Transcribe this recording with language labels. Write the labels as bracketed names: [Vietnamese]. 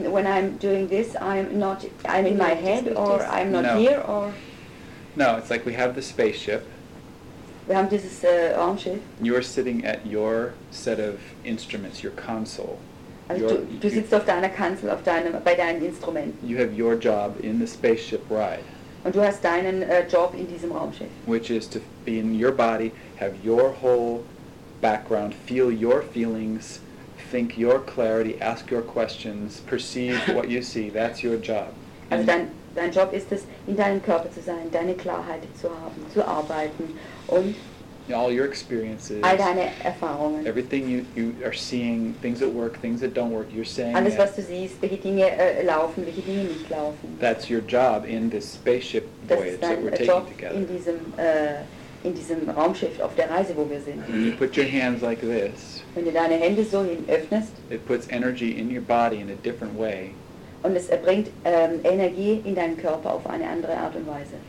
[English] When I'm doing this, I'm in my head or I'm not here or. No, it's like we have the spaceship. We have this Raumschiff. You're sitting at your set of instruments, your console. [German] Also du sitzt auf deiner Kanzel bei deinem Instrument. [English] You have your job in the spaceship ride. [German] Und du hast deinen Job in diesem Raumschiff. [English] Which is to be in your body, have your whole background, feel your feelings, think your clarity, ask your questions, perceive what you see. That's your job. [German] Also dein Job ist es, in deinem Körper zu sein, deine Klarheit zu haben, zu arbeiten und [English] all your experiences, [German] all deine Erfahrungen, [English] everything you are seeing, things that work, things that don't work, you're saying [German] alles, was du siehst, welche Dinge laufen, welche Dinge nicht laufen. [English] That's your job in this spaceship voyage that we're taking together. [German] In diesem Raumschiff auf der Reise, wo wir sind. [English] You put your hands like this, [German] wenn du deine Hände so hin öffnest, [English] it puts energy in your body in a different way. [German] Und es erbringt Energie in deinen Körper auf eine andere Art und Weise.